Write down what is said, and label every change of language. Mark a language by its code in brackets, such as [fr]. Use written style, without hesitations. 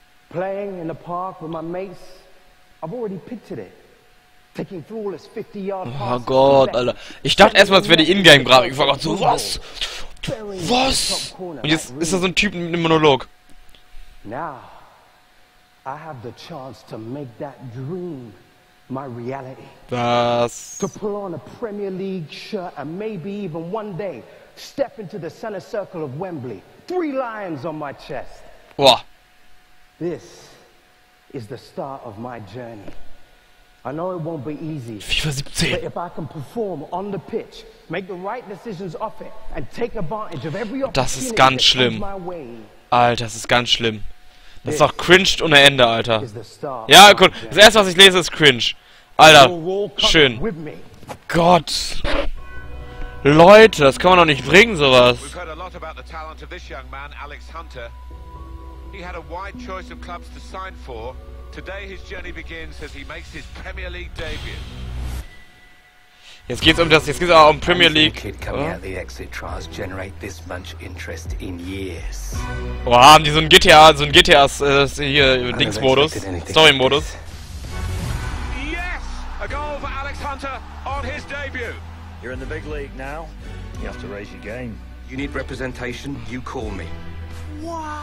[en] Playing in the park with my mates, I've already pictured it. Taking flawless 50-yard passes. [de] Oh Gott, Alter. Ich dachte erstmal, es wäre die Ingame-Grafik. Ich war gerade so, was? Was? Und jetzt ist da so ein Typ mit einem Monolog. [en] Now, I have the chance to make that dream my reality. [de] Was? [en] To pull on a Premier League shirt and maybe even one day step into the center circle of Wembley. Three lions on my chest. [de] Boah. [en] This is the start of my journey. I know it won't be easy. FIFA 17. But if I can perform on the pitch, make the right decisions off it and take advantage of every opportunity. [de] Das ist ganz schlimm. Alter, das ist ganz schlimm. Das ist doch cringed ohne Ende, Alter. Ja, gut. Das erste, was ich lese, ist cringe. Alter, schön. Gott. Leute, das kann man doch nicht bringen, sowas. [en] We've heard a lot about the talent of this young man, Alex Hunter. He had a wide choice of clubs to sign for. Today his journey begins as he makes his Premier League debut. [de] Jetzt geht's um das, jetzt geht's auch um Premier League. [en] Kid coming out the exit trials generate this much interest in years. [de] Wow, haben die so ein GTA's hier Dingsmodus, Story Modus. [en] Yes, a goal for Alex Hunter on his debut. You're in the big league now. You have to raise your game. You need representation, you call me. Wow.